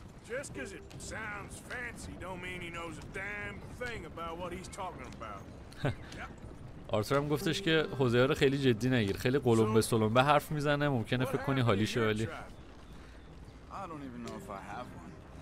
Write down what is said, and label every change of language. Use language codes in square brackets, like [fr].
[en] Just cuz it sounds fancy don't mean he knows a damn thing about what he's talking about. [fa] آرتور هم گفتش که حوزه رو خیلی جدی نگیر. خیلی قلم به سلم به حرف میزنه، ممکنه فکر کنی حالیش عالی. [en] I don't even know if I have one.